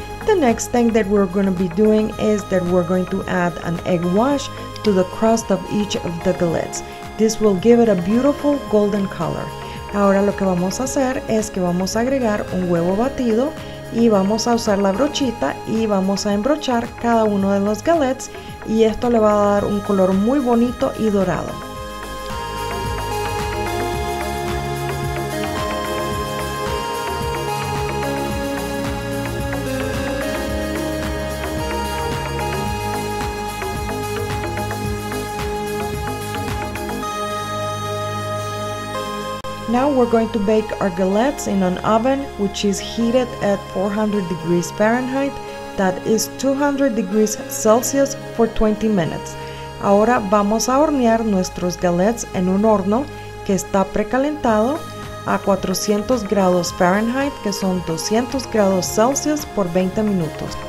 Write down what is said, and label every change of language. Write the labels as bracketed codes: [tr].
[en] The next thing that we're going to be doing is that we're going to add an egg wash to the crust of each of the galettes. This will give it a beautiful golden color. [es] Ahora lo que vamos a hacer es que vamos a agregar un huevo batido y vamos a usar la brochita y vamos a embrochar cada uno de los galettes y esto le va a dar un color muy bonito y dorado. [en] Now we're going to bake our galettes in an oven which is heated at 400 degrees Fahrenheit, that is 200 degrees Celsius, for 20 minutes. [es] Ahora vamos a hornear nuestros galettes en un horno que está precalentado a 400 grados Fahrenheit, que son 200 grados Celsius, por 20 minutos.